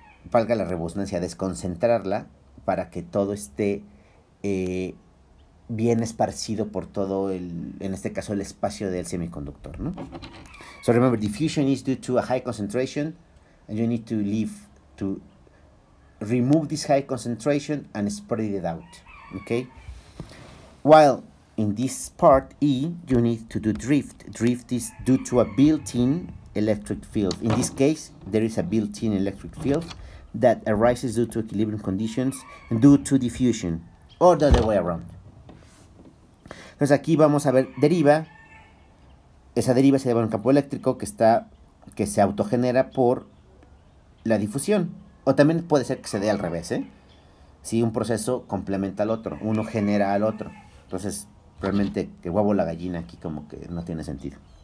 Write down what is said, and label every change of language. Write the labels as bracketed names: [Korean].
[Spanish] valga la redundancia, desconcentrarla para que todo esté bien esparcido por todo el, en este caso el espacio del semiconductor, ¿no? [English] So remember, diffusion is due to a high concentration, and you need to leave to remove this high concentration and spread it out, okay? While in this part E, you need to do drift. Drift is due to a built-in electric field. In this case, there is a built-in electric field that arises due to equilibrium conditions and due to diffusion, or the other way around. [Spanish] Entonces aquí vamos a ver deriva. Esa deriva se lleva un campo eléctrico que se autogenera por la difusión. O también puede ser que se dé al revés, ¿eh? Si un proceso complementa al otro, uno genera al otro. Entonces, realmente, que huevo la gallina aquí como que no tiene sentido.